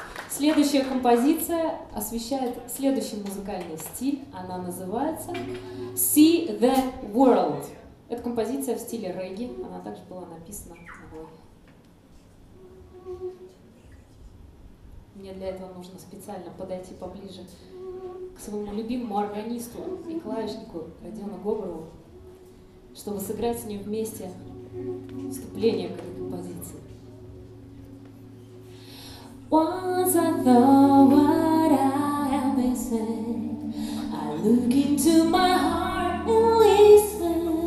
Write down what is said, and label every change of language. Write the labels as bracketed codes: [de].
[ru] Следующая композиция освещает следующий музыкальный стиль. Она называется «See the World». Это композиция в стиле регги. Она также была написана мной. Мне для этого нужно специально подойти поближе к своему любимому органисту и клавишнику Родиону Гоборову, чтобы сыграть с ним вместе вступление к этой композиции. [en] Once I thought what I am missing, I look into my heart and listen.